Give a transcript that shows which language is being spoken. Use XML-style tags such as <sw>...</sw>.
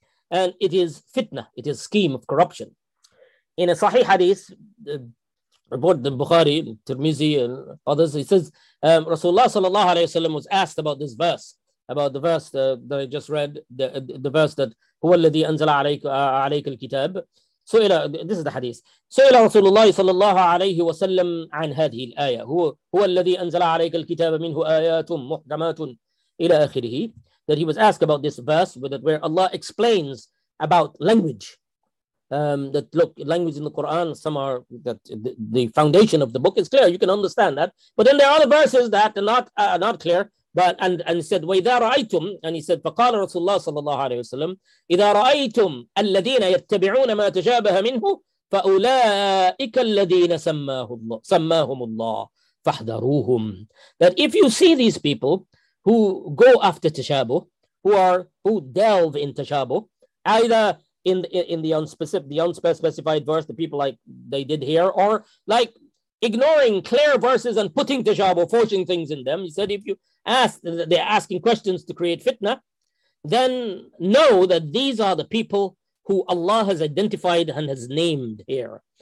<en>And it is fitna, it is scheme of corruption. In a Sahih hadith, the report the Bukhari, Tirmizi, and others, he says, Rasulullah sallallahu alayhi wa sallam was asked about this verse, about the verse that I just read, the verse that,</en> <ar>هو الذي أنزل عليك الكتاب. سئل,</ar> <en>this is the hadith.</en> <ar>سئل رسول الله صلى الله عليه وسلم عن هذه الآية. هو الذي أنزل عليك الكتاب منه آيات محكمات إلى آخره.</ar> <en>That he was asked about this verse, where Allah explains about language. That look, language in the Quran, some are that the foundation of the book is clear, you can understand that. But then there are other verses that are not clear. But and he said,</en> <ar>وَإِذَا رَأَيْتُمْ,</ar> <en>and he said,</en> <ar>فَقَالَ رَسُولُ اللَّهِ صَلَّى اللَّهُ عَلَيْهِ وَسَلَّمَ إِذَا رَأَيْتُمْ الَّذِينَ يَتَّبِعُونَ مَا تَشَابَهَ مِنْهُ فَأُولَٰئِكَ الَّذِينَ سَمَّاهُمُ اللَّهُ فَاحْذَرُوهُمْ.</ar> <en>That if you see these people who go after tashabuh, who delve in tashabuh, either in the unspecified, verse, the people like they did here, or like ignoring clear verses and putting tashabuh, forcing things in them. He said, if you ask, they're asking questions to create fitna, then know that these are the people who Allah has identified and has named here.</en>